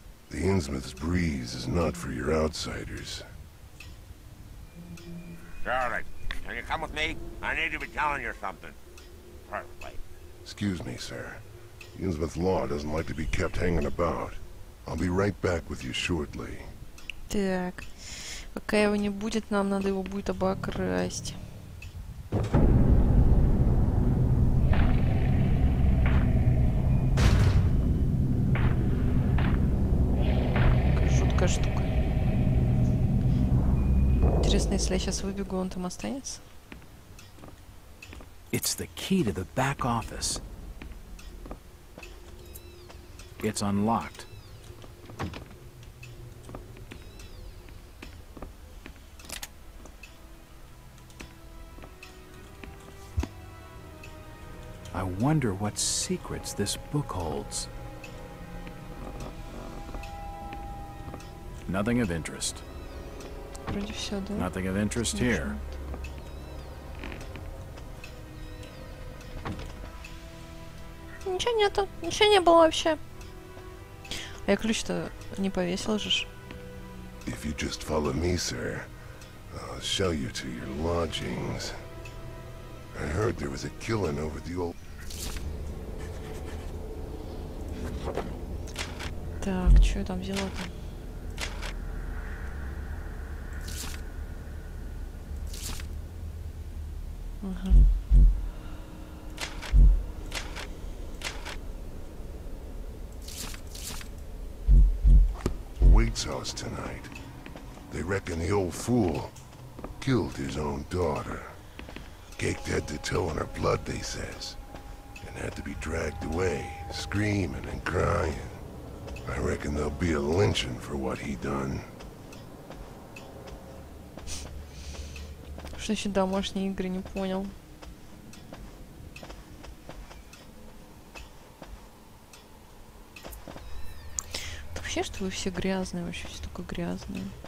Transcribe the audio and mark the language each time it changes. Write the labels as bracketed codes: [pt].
[en] The Innsmouth's breeze is not for your outsiders. Charlie, can you come with me? I need to be telling you something. Perfectly. Excuse me, sir. The Innsmouth law doesn't like to be kept hanging about. I'll be right back with you shortly. [ru] Так. Пока его не будет, нам надо его будет обокрасть. Штука. Интересно, если я сейчас выбегу, он там останется? [en] It's the key to the back office. It's unlocked. I wonder what secrets this book holds. Nothing of interest. [ru] Вроде все, да? [en] Nothing of interest here. [ru] Ничего нету. Ничего не было вообще. Я ключ-то не повесил же. [en] If you just follow me, sir, I'll show you to your lodgings. I heard there was a killing over the old... [ru] Так, что я там взяла-то? [en] Wait's house tonight. They reckon the old fool killed his own daughter. Caked head to toe in her blood, they says. And had to be dragged away, screaming and crying. I reckon there'll be a lynching for what he done. [ru] Что значит домашние игры, не понял. Вообще, что вы все грязные, вообще все такое грязное.